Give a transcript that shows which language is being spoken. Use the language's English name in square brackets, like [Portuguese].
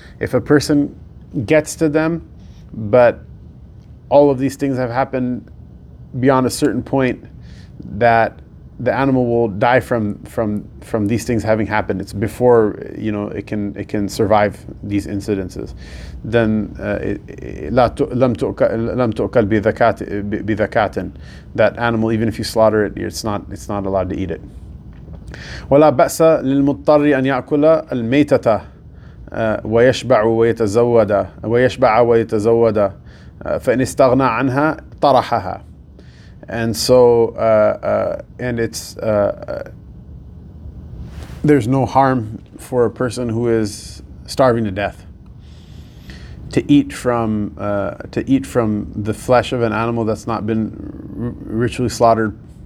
[English] If a person gets to them, but all of these things have happened beyond a certain point, that the animal will die from these things having happened. It's before, you know, it can survive these incidences. Then [Arabic] لم تؤكل بذكاتن, [English] that animal, even if you slaughter it, it's not allowed to eat it. [Arabic] ولا بأس للمضطر أن يأكل الميتة ويشبع ويتزود فإن استغنى عنها طرحها. [English] And so, there's no harm for a person who is starving to death to eat from the flesh of an animal that's not been ritually slaughtered.